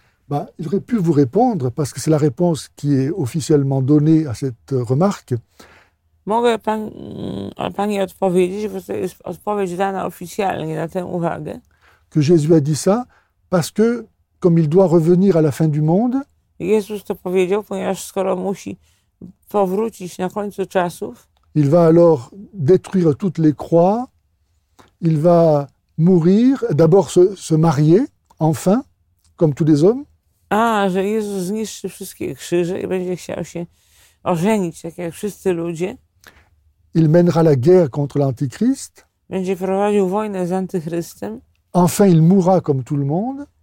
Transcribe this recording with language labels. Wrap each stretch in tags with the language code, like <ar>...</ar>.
<fr>Bah, il aurait pu vous répondre, parce que c'est la réponse qui est officiellement donnée à cette remarque.</fr> <pl>Mogę pani odpowiedzieć, bo to jest odpowiedź dana oficjalnie na tę uwagę.</pl> <fr>Que Jésus a dit ça, parce que comme il doit revenir à la fin du monde.</fr> <pl>Jezus to powiedział, ponieważ skoro musi powrócić na końcu czasów.</pl> <fr>Il va alors détruire toutes les croix. Il va mourir, d'abord se marier, enfin, comme tous les hommes.</fr> <pl>Ah, że Jezus zniszczy wszystkie krzyże i będzie chciał się ożenić, tak jak wszyscy ludzie.</pl> <fr>Il mènera la guerre contre l'Antichrist.</fr> <pl>Będzie prowadził wojnę z Antychrystem.</pl> <fr>Enfin, il mourra comme tout le monde.</fr>